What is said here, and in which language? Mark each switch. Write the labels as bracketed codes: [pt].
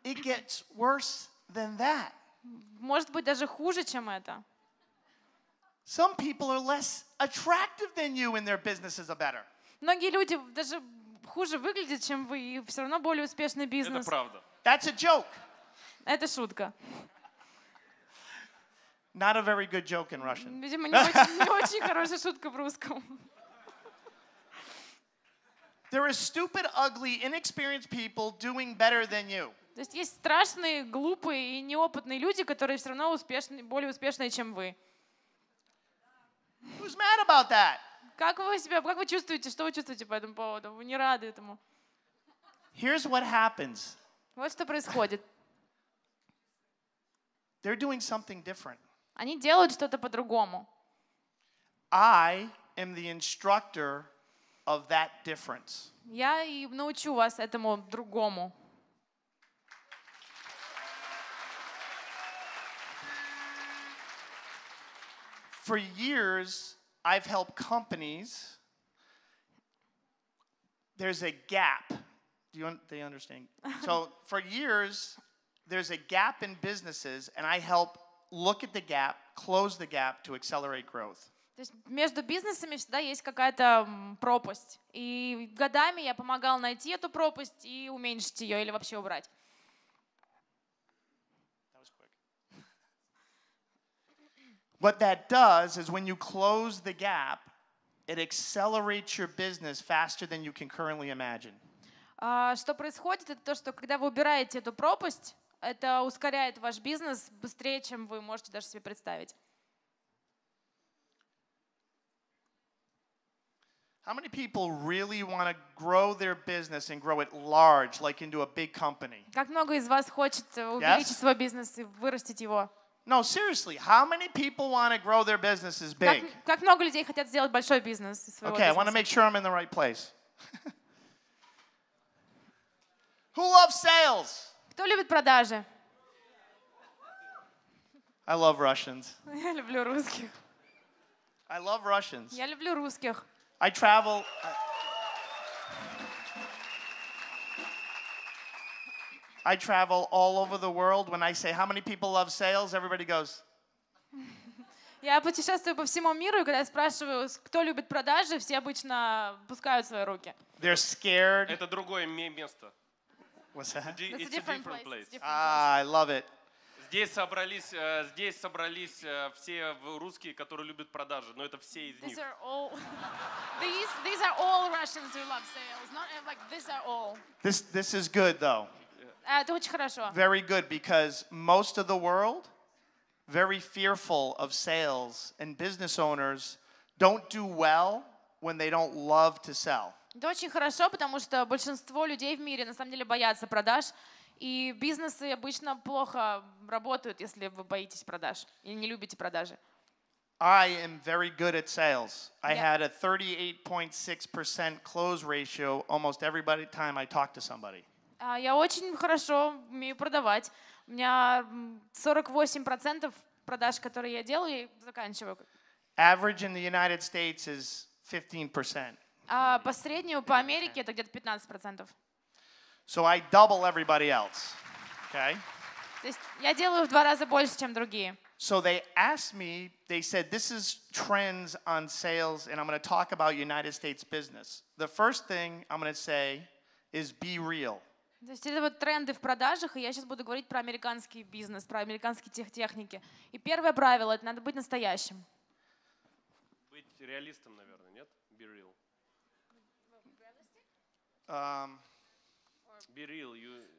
[en] It gets worse than that. [ru] Может быть даже хуже, чем это. [en] Some people are less attractive than you and their businesses are better. [ru] Многие люди даже хуже выглядят, чем вы, и все равно более успешный бизнес. Это правда. [en] That's a joke. [ru] Это шутка. [en] Not a very good joke in Russian. [ru] Видимо, не очень хорошая шутка в русском. [en] There are stupid, ugly, inexperienced people doing better than you. [ru] То есть есть страшные, глупые и неопытные люди, которые все равно более успешные, чем вы. [en] Who's mad about that? [ru] Как вы чувствуете? Что вы чувствуете по этому поводу? Вы не рады этому? [en] Here's what happens. [ru] Вот что происходит. [en] They're doing something different. [ru] Они делают что-то по-другому. [en] I am the instructor of that difference. [ru] Я и научу вас этому другому. [en] For years, I've helped companies. There's a gap. Do they understand? So for years, there's a gap in businesses, and I help look at the gap, close the gap to accelerate growth. [ru] То есть между бизнесами всегда есть какая-то пропасть. И годами я помогал найти эту пропасть и уменьшить ее или вообще убрать. [en] What that does is when you close the gap, it accelerates your business faster than you can currently imagine. [ru] Что происходит, это то, что когда вы убираете эту пропасть, это ускоряет ваш бизнес быстрее, чем вы можете даже себе представить. [en] How many people really want to grow their business and grow it large, like into a big company? [ru] Как много из вас хочет увеличить свой бизнес и вырастить его? [en] No, seriously, how many people want to grow their businesses big? [ru] Как много людей хотят сделать большой бизнес своего [en] бизнеса? Okay, I want to make sure I'm in the right place. Who loves sales? [ru] Кто любит продажи? [en] I love Russians. [ru] Я люблю русских. [en] I love Russians. [ru] Я люблю русских. [en] I travel. I travel all over the world. When I say, "How many people love sales?" Everybody goes. [ru] Я путешествую по всему миру, и когда я спрашиваю, кто любит продажи, все обычно пускают свои руки. [en] They're scared. [ru] Это другое место. [en] What's that? It's a different place. I love it. [ru] Здесь собрались все русские, которые любят продажи, но это все из них. [en] These are all Russians who love sales. Not like these are all. This is good though. [ru] Это очень хорошо. [en] Very good, because most of the world very fearful of sales, and business owners don't do well when they don't love to sell. [ru] Это очень хорошо, потому что большинство людей в мире на самом деле боятся продаж. И бизнесы обычно плохо работают, если вы боитесь продаж или не любите продажи. [en] I am very good at sales. I had a 38.6% close ratio almost every time I talked to somebody. [ru] Я очень хорошо умею продавать. У меня 48% продаж, которые я делаю, я заканчиваю. [en] Average in the United States is 15%. [ru] По среднему по Америке это где-то 15%. [en] So I double everybody else. Okay? [ru] То есть я делаю в два раза больше, чем другие. [en] So they asked me, they said, this is trends on sales, and I'm going to talk about United States business. The first thing I'm going to say is be real. [ru] То есть это вот тренды в продажах, и я сейчас буду говорить про американский бизнес, про американские техники. И первое правило — это надо быть настоящим. Быть реалистом, наверное, нет? [en] Be real. Be real. You